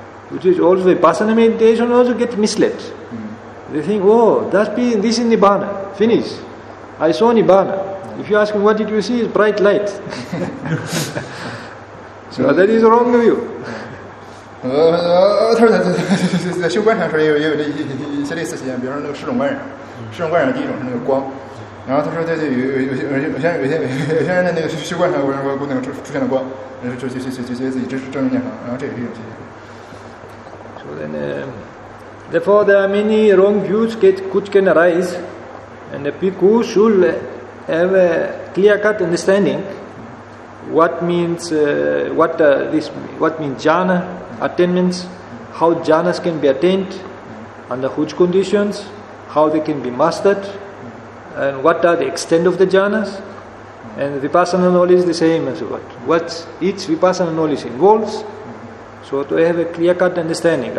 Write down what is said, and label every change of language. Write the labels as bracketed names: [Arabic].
[English] Which is also Vipassana meditation also get misled. They think, oh, this is Nibbana. Finish. I saw Nibbana. If you ask me, what did you see? It's bright light. So that is wrong view. [Chinese] 他说在修观禅的时候也有一些类似实验，比如说那个十种观染，十种观染的第一种是那个光，然后他说在有些人的那个修观禅过程中那个出现了光，然后就自己真是正念了，然后这也是一种实验。 [English] So then, therefore there are many wrong views which can arise, and the bhikkhu should have a clear-cut understanding what means jhana. Attainments, how jhanas can be attained, under which conditions, how they can be mastered, and what are the extent of the jhanas, and vipassana knowledge the same as what each vipassana knowledge involves, so to have a clear-cut understanding.